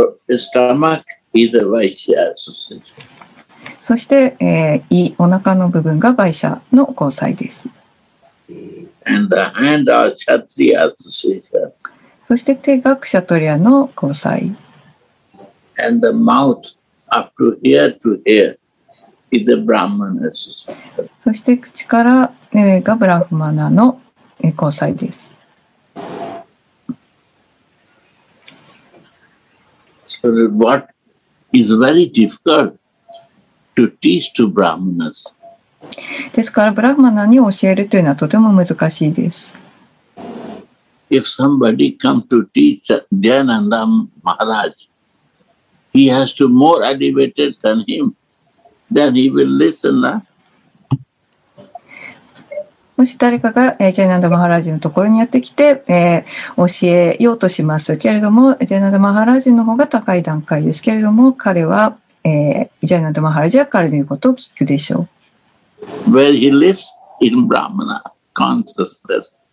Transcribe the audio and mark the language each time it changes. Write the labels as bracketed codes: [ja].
[en] Stomach is a Vaishya association. [ja] そして、胃、お腹の部分が Vaishya の交際です。 [en] And the hand of Kshatriya association. [ja] そして手がクシャトリアの交際。 [en] And the mouth up to here to here is the Brahman association. [ja] そして口から、がブラフマナの交際です。 [en] So what is very difficult to teach to Brahmanas? [ja] ですからブラフマナに教えるというのはとても難しいです。 [en] If somebody come to teach Dayananda Maharaj, he has to more elevated than him, then he will listen. [ja] もし誰かが、ジェイナンダ・マハラージのところにやってきて、教えようとしますけれども、ジェイナンダ・マハラージの方が高い段階ですけれども、彼は、ジェイナンダ・マハラージは彼の言うことを聞くでしょう。 [en] Well, he lives in Brahmana consciousness.